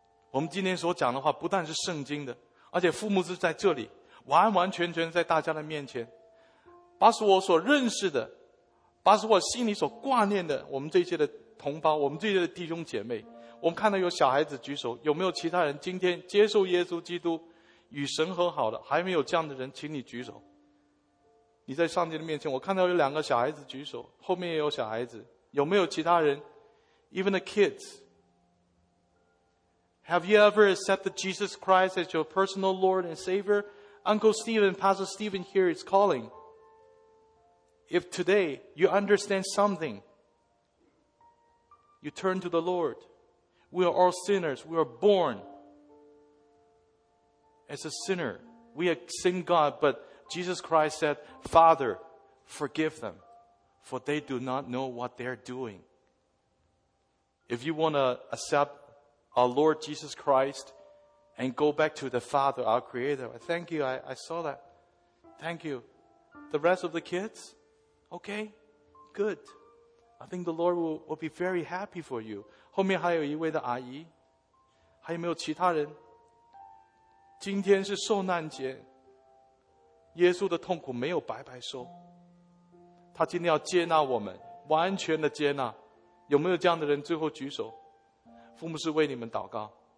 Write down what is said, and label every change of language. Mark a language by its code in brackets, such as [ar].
[zh] 我们今天所讲的话不但是圣经的，而且父母是在这里完完全全在大家的面前，把我所认识的，把我心里所挂念的，我们这些的同胞，我们这些的弟兄姐妹，我们看到有小孩子举手，有没有其他人今天接受耶稣基督与神和好的？还没有这样的人请你举手，你在上帝的面前。我看到有两个小孩子举手，后面也有小孩子，有没有其他人？ [en] Even the kids, Have you ever accepted Jesus Christ as your personal Lord and Savior? Uncle Stephen, Pastor Stephen here is calling. If today you understand something, you turn to the Lord. We are all sinners. We are born as a sinner. We have sinned God, but Jesus Christ said, Father, forgive them, for they do not know what they are doing. If you want to accept our Lord Jesus Christ and go back to the Father, our Creator, thank you, I saw that. Thank you. The rest of the kids? Okay, good. I think the Lord will be very happy for you. [zh] 后面还有一位的阿姨，还有没有其他人？今天是受难节，耶稣的痛苦没有白白受，他今天要接纳我们，完全的接纳。有没有这样的人？最后举手，父母是为你们祷告。